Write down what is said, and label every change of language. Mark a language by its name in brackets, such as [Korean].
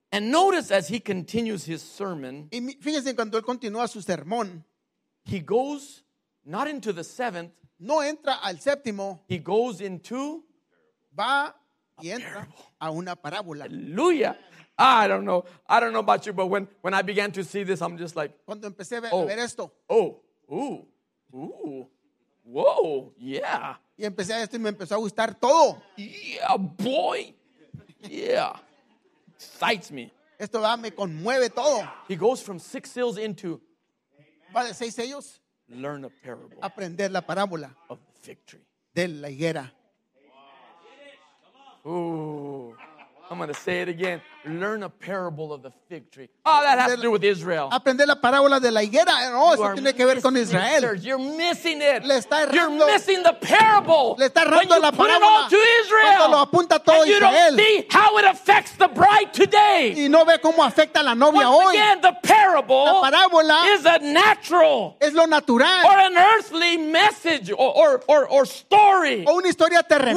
[English] And notice as he continues his sermon. [Spanish] Y fíjense cuando él continúa su sermón. [English] He goes not into the 7th. [Spanish] No entra al séptimo. [English] He goes into. [Spanish] Va y entra a una parábola. [English] Aleluya. I don't know. I don't know about you, but when I began to see this, I'm just like. [Spanish] Cuando empecé a ver esto. [English] Oh. Ooh, ooh, whoa, yeah. [Spanish] Y empecé a esto y me empezó a gustar todo. [English] Yeah, boy. Yeah. Excites me. [Spanish] Esto va, me conmueve todo. [English] He goes from 6 seals into. [Spanish] Va de 6 sellos. [English] Learn a parable. [Spanish] Aprender la parábola. [English] Of the fig tree. [Spanish] De la higuera. [English] Ooh. I'm going to say it again. Learn a parable of the fig tree. Oh, that has to do with Israel. [Spanish] Aprender la parábola de la higuera. No, eso tiene que ver con Israel. [English] You're missing it. [Spanish] Le está errando. [English] You're missing the parable. [Spanish] Le está errando la parábola. [English] When you put it all to Israel. [Spanish] Cuando lo apunta todo Israel. [English] And you don't see how it affects the bride today. [Spanish] Y no ve cómo afecta a la novia hoy. [English] Once again, the parable. [Spanish] La parábola. [English] Is a natural. [Spanish] Es lo natural. [English] Or an earthly message or story. [Spanish] O una historia terrenal.